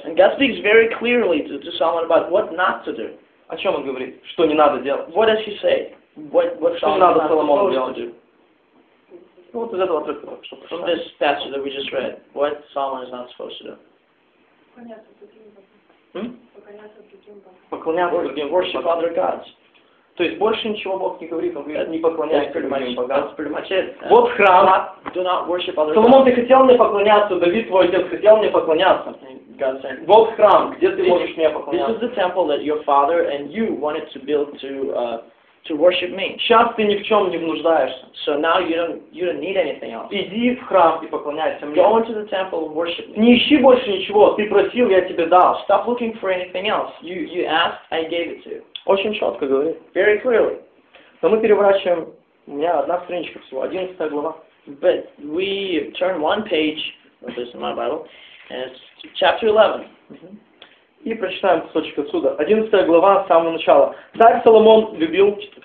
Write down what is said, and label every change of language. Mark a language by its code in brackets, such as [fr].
[en] And God speaks very clearly to someone about what not to do. [ru] О чем он говорит? Что не надо делать? [en] What does he say? What [ru] что [en] Solomon [ru] надо Соломону делать? Вот из этого отрывка, что [en] from this passage that we just read, what Solomon is not supposed to do? [ru] Поклоняться другим богам. [en] Worship other gods. [ru] То есть больше ничего Бог не говорит, он говорит, не поклоняйся другим богам. [en] That's pretty much it. [ru] Вот храм. [en] Do not worship other gods. [ru] Соломон, ты хотел мне поклоняться, Давид, твой отец хотел мне поклоняться. [en] God said, [ru] вот храм, где ты можешь мне поклоняться. [en] This is the temple that your father and you wanted to build to worship me. [ru] Сейчас ты ни в чем не нуждаешься. [en] So now you don't need anything else. [ru] Иди в храм и поклоняйся мне. [en] Go into the temple and worship me. [ru] Не ищи больше ничего. Ты просил, я тебе дал. [en] Stop looking for anything else. You asked, I gave it to you. [ru] Очень четко говорит. [en] Very clearly. [ru] Но мы переворачиваем, у меня одна страничка всего, 11 глава. [en] But we turn one page, this is my Bible, and it's chapter 11. [ru] И прочитаем кусочек отсюда. 11 глава, с самого начала. Царь Соломон любил...